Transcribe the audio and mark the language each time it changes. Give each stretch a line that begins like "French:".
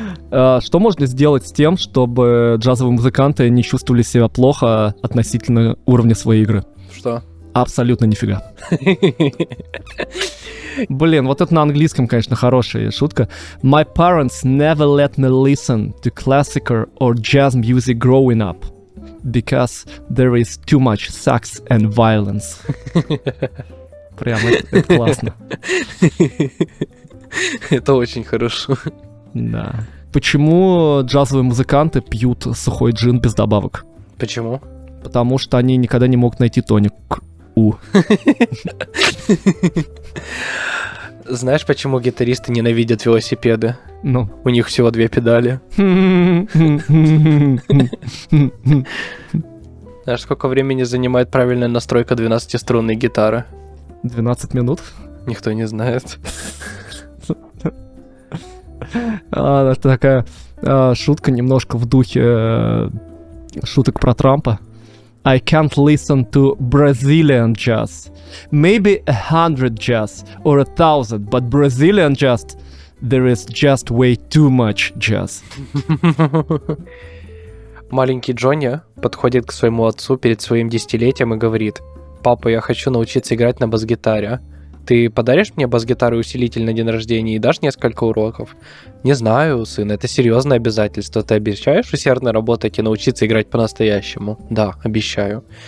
Russian: Что можно сделать с тем, чтобы джазовые музыканты не чувствовали себя плохо относительно уровня своей игры? Что? Абсолютно нифига. Блин, вот это на английском, конечно, хорошая шутка.
English: My parents never let me listen to classical or jazz music growing up, because there is too much sex and violence.
Russian: Прям это классно. Это очень хорошо. Да. Почему джазовые музыканты пьют сухой джин без добавок? Почему? Потому что они никогда не могут найти тоник. Знаешь, почему гитаристы ненавидят велосипеды? Ну? У них всего 2 педали. Знаешь, сколько времени занимает правильная настройка 12-струнной гитары? 12 минут? Никто не знает. Это такая шутка немножко в духе шуток про Трампа.
English: I can't listen to Brazilian jazz. Maybe 100 jazz or 1,000, but Brazilian jazz, there is just way too much jazz.
Russian: Маленький Джонни подходит к своему отцу перед своим десятилетием и говорит: «Папа, я хочу научиться играть на бас-гитаре. Ты подаришь мне бас-гитару и усилитель на день рождения и дашь несколько уроков?» «Не знаю, сын, это серьезное обязательство. Ты обещаешь усердно работать и научиться играть по-настоящему?» «Да, обещаю».